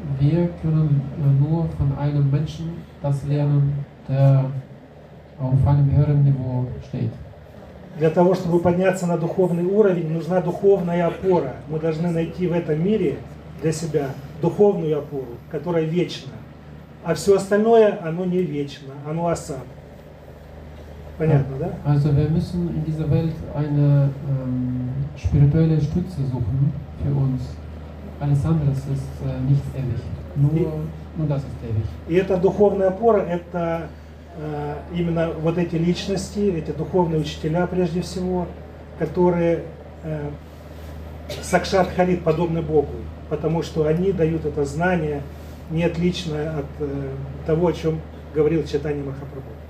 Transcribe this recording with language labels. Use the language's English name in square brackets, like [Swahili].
[German] Wir können nur von einem Menschen das lernen, der auf einem höheren Niveau steht. [Russian] Для того, чтобы подняться на духовный уровень, нужна духовная опора. Мы должны найти в этом мире для себя духовную опору, которая вечна. А все остальное, оно не вечно, оно осад. Понятно, да? [German] Also wir müssen in dieser Welt eine spirituelle Stütze suchen für uns. Alles andere ist nicht ewig. Nur das ist ewig. [Russian] И эта духовная опора, это именно вот эти личности, эти духовные учителя, прежде всего, которые сакшат-харит, подобны Богу, потому что они дают это знание, не отличное от того, о чем говорил Чайтанья Махапрабху.